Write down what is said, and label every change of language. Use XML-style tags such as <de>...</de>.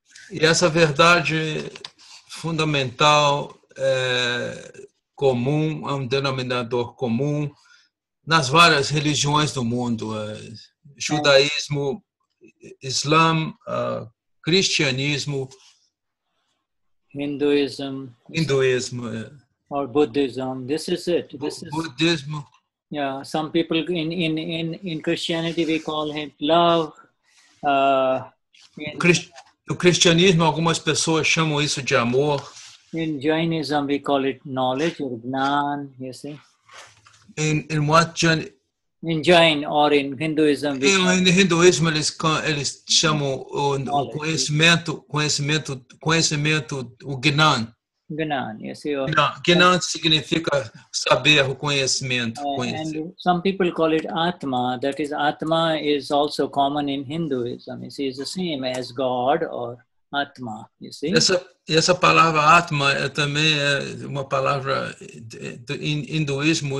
<pt>E essa verdade fundamental é comum, é um denominador comum nas várias religiões do mundo, judaísmo, islã, cristianismo,</pt> <en>hinduísmo, or buddhism, this is it, this is</en> <pt>budismo.</pt> <en>Yeah, some people in Christianity we call it love.</en> <pt>No cristianismo algumas pessoas chamam isso de amor.</pt> <en>In Jainism we call it knowledge or gnan, you see. In what in Jain or in Hinduism we call it. In Hinduism</en> <pt>eles chamam o conhecimento o gnan.</pt> <en>Gnan, you see, or,</en> <pt>gnan significa saber, o conhecimento. And</pt> <en>some people call it Atma. That is, Atma is also common in Hinduism. You see, it's the same as God or Atma, you see.</en> <pt>Essa palavra Atma também é uma palavra do hinduísmo.</pt>